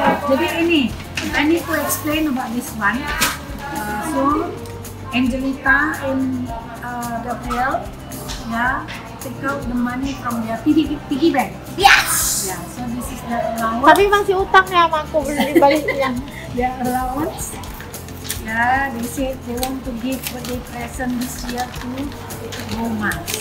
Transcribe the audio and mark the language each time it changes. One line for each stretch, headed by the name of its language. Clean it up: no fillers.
Indonesian: Jadi ini,
English: I need to explain about this one. So, Angelita and Gabriel, yeah, take out the money from their piggy bank. Yes. Yeah, so this is the allowance.
Indonesian: Tapi masih utang ya sama aku beli baliknya.
English: Yeah, allowance. Yeah, they said they want to give birthday present this year to Bumas.